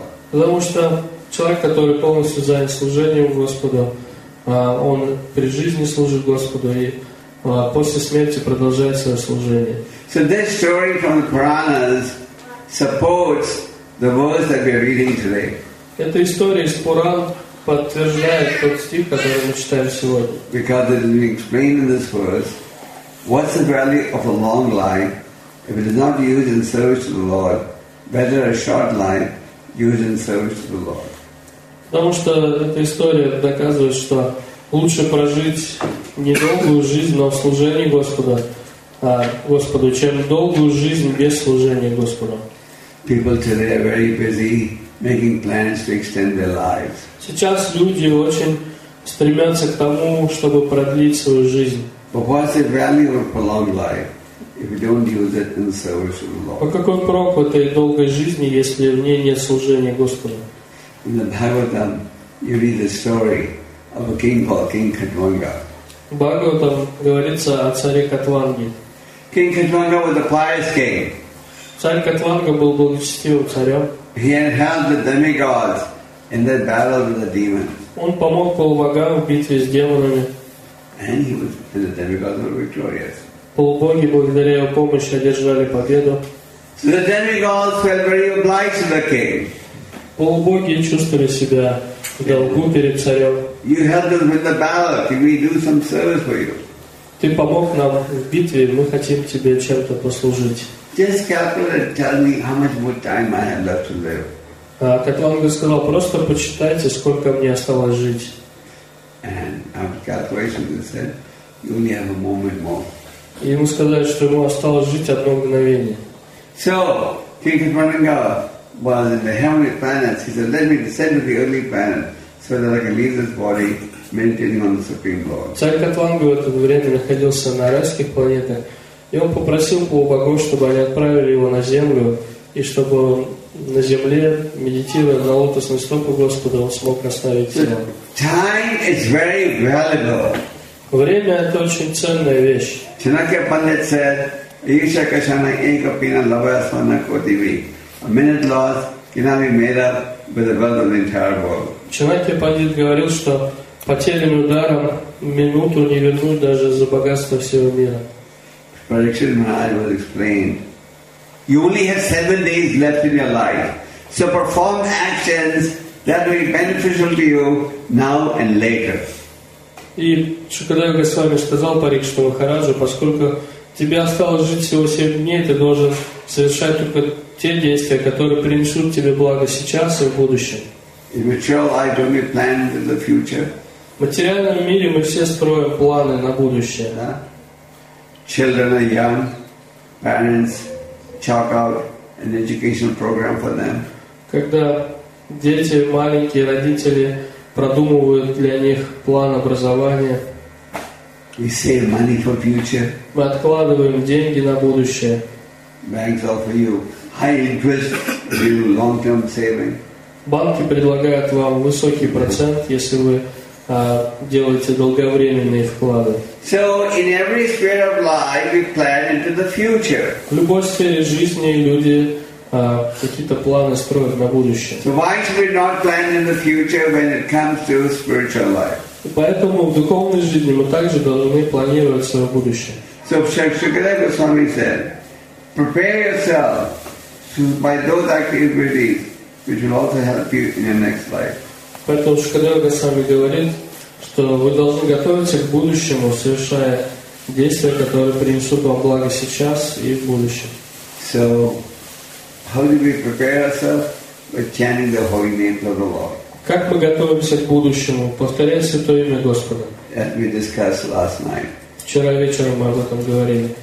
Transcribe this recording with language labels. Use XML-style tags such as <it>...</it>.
<ru>Потому что человек, который полностью занят служением Господу, он при жизни служит Господу и после смерти продолжает свое служение.</ru> <en>So this story from the Puranas supports the verse that we're reading today.</en> <ru>Эта история из Пуран подтверждает тот стих, который мы читаем сегодня.</ru> <en>Because it is explained in this verse, what's the value of a long life if it is not used in service to the Lord? Better a short life used in service to the Lord.</en> <ru>Потому что эта история доказывает, что лучше прожить недолгую жизнь, но в служении Господа, Господу, чем долгую жизнь без служения Господу.</ru> <en>People today are very busy making plans to extend their lives.</en> <ru>Сейчас люди очень стремятся к тому, чтобы продлить свою жизнь.</ru> <en>But what's the value of prolonged life if you don't use it in service to the Lord?</en> <ru>По какой прок этой долгой жизни, если в ней нет служения Господу?</ru> <en>In the Bhagavatam, you read the story of a king called King Khatvanga.</en> <ru>В Бхагаватам говорится о царе Катванге.</ru> <en>King Khatvanga was a pious king.</en> <ru>Царь Катванга был благочестивым царем.</ru> <en>He had helped the demigods in that battle with the demons.</en> <ru>Он помог полубогам в битве с демонами.</ru> <en>And he was, and the demigods were victorious.</en> <ru>Полубоги благодаря его помощи одержали победу.</ru> <en>So the demigods felt very obliged to the king.</en> <ru>Полубоги чувствовали себя в долгу перед царем.</ru> <en>You helped us with the battle. Can we do some service for you?</en> <ru>Ты помог нам в битве. Мы хотим тебе чем-то послужить.</ru> <en>Just calculate and tell me how much more time I have left to live.</en> <ru>Катванга сказал, просто посчитайте, сколько мне осталось жить.</ru> <en>And after calculation, he said, you only have a moment more.</en> <ru>И ему сказали, что ему осталось жить одно мгновение.</ru> <en>So, King Khatvanga was in the heavenly planets. He said, let me descend to the earthly planet so that I can leave this body meditating on the Supreme Lord.</en> <ru>Царь Катванга в это время находился на райских планетах. И он попросил полубогов, чтобы они отправили его на землю, и чтобы он на земле, медитируя на лотосный стоп у Господа, он смог оставить тело.</ru> <en>Time is very valuable.</en> <ru>Время — это очень ценная вещь.</ru> <sa>Чанакья Пандит</sa> <en>said,</en> <sa>Иша Кашана Экапина Лавасвана Котиви.</sa> <en>A minute lost cannot be made up with the wealth of the entire world.</en> <ru>Чанакья Пандит говорил, что потерянным ударом минуту не вернуть даже за богатство всего мира.</ru> <en>Parikshit Maharaj was explained. You only have 7 days left in your life. So perform actions that will be beneficial to you now and later.</en> <ru>И Шукадева Госвами сказал Парикшит Махараджу, поскольку тебе осталось жить всего 7 дней, ты должен совершать только те действия, которые принесут тебе благо сейчас и в будущем.</ru> <en>In material life, don't you plan for the future?</en> <ru>В материальном мире мы все строим планы на будущее.</ru> <en>Да? Children are young. Parents chalk out an educational program for them.</en> <ru>Когда дети маленькие, родители продумывают для них план образования.</ru> <en>We save money for future.</en> <ru>Мы откладываем деньги на будущее.</ru> <en>Banks offer you high interest if you do long-term saving.</en> <ru>Банки предлагают вам высокий процент, если вы делаете долговременные вклады.</ru> <en>So in every sphere of life, we plan into the future.</en> <ru>В любой сфере жизни люди какие-то планы строят на будущее.</ru> <en>So why should we not plan in the future when it comes to spiritual life?</en> <ru>Поэтому в духовной жизни мы также должны планировать свое будущее.</ru> <en>So Shukadeva Goswami said, prepare yourself by those activities which will also help you in your next life.</en> <ru>Поэтому Шукадева Госвами говорит, что вы должны готовиться к будущему, совершая действия, которые принесут вам благо сейчас и в будущем.</ru> <en>So, how do we prepare ourselves by chanting the holy names of the Lord?</en> <ru>Как мы готовимся к будущему, повторяя святое имя Господа?</ru> <en>As we discussed last night.</en> <ru>Вчера вечером мы об этом говорили.</ru>